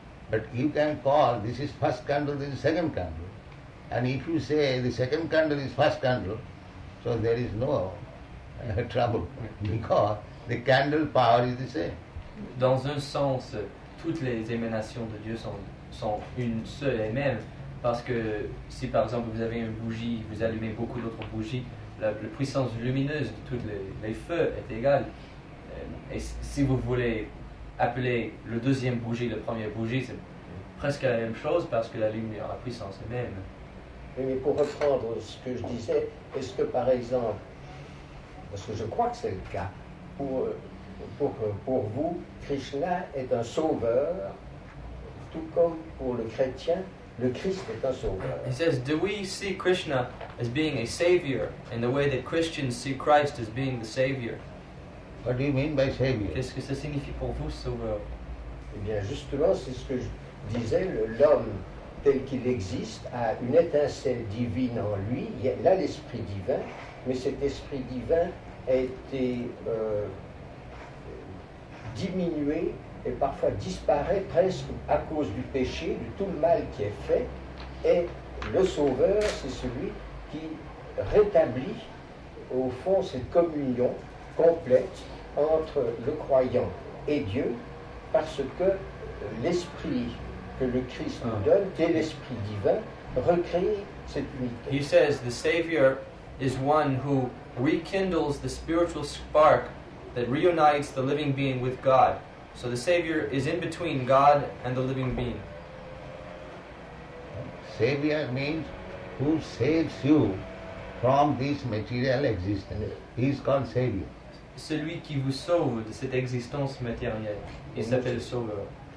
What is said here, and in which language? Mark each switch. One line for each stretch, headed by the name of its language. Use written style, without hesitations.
English: But you can call, this is first candle, this is second candle. And if you say the second candle is first candle, so there is no trouble, because the candle power is the same.
French: Dans un sens, toutes les émanations de Dieu sont une seule et même, parce que si par exemple vous avez une bougie, vous allumez beaucoup d'autres bougies, la puissance lumineuse de tous les feux est égale. Et si vous voulez appeler le deuxième bougie la première bougie, c'est presque la même chose, parce que la lumière, la puissance est même. Mais pour reprendre ce que je disais, est-ce que par exemple, parce que je crois que c'est le cas, pour vous, Krishna est un sauveur, tout comme pour le chrétien, le Christ est un sauveur.
English: He says, do we see Krishna as being a savior in the way that Christians see Christ as being the savior? What do you mean by savior?
French: Qu'est-ce que ça signifie pour vous, sauveur? Eh bien, justement, c'est ce que je disais, l'homme tel qu'il existe, a une étincelle divine en lui, il a l'esprit divin, mais cet esprit divin a été diminué et parfois disparaît presque à cause du péché, de tout le mal qui est fait, et le sauveur, c'est celui qui rétablit au fond cette communion complète entre le croyant et Dieu, parce que l'esprit que le Christ nous donne, qui est l'Esprit divin, recrée cette unité.
English: He says the Savior is one who rekindles the spiritual spark that reunites the living being with God. So the Savior is in between God and the living being. Savior means who saves you from this material existence. He is called Savior.
French: Celui qui vous sauve de cette existence matérielle, il s'appelle Sauveur.